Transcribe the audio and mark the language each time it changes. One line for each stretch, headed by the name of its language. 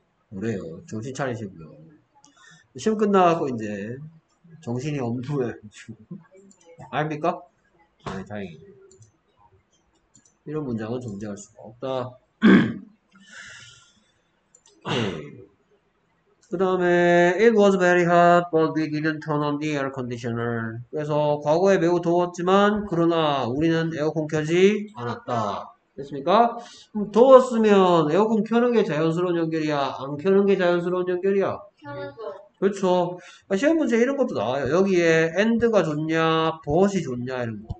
Korean: 그래요. 정신 차리시고요. 시험 끝나고 이제 정신이 엄두에 아닙니까? 네, 다행이네요. 이런 문장은 존재할 수가 없다. 그 다음에
English: It was very hot, but we didn't turn on the air conditioner.
Korean: 그래서 과거에 매우 더웠지만 그러나 우리는 에어컨 켜지 않았다. 됐습니까? 더웠으면 에어컨 켜는 게 자연스러운 연결이야? 안 켜는 게 자연스러운 연결이야? 그렇죠. 시험 문제 이런 것도 나와요. 여기에 end가 좋냐, but이 좋냐, 이런 거.